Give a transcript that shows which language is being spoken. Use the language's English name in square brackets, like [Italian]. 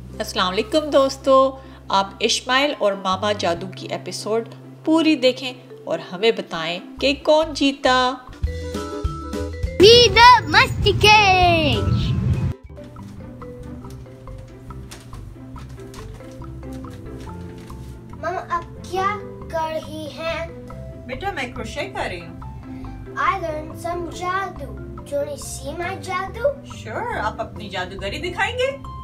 [Urdu] اسلام علیکم دوستو، آپ اشمائل اور ماما جادو کی ایپیسوڈ پوری دیکھیں اور ہمیں بتائیں کہ کون جیتا. [English] We the Masti Kids. [Urdu] ماما آپ کیا کر رہی ہیں؟ بیٹا میں کروشے کر رہی ہوں. [English] I learned some جادو. Do you see my جادو؟ [Urdu] Sure, آپ اپنی جادوگری دکھائیں گے؟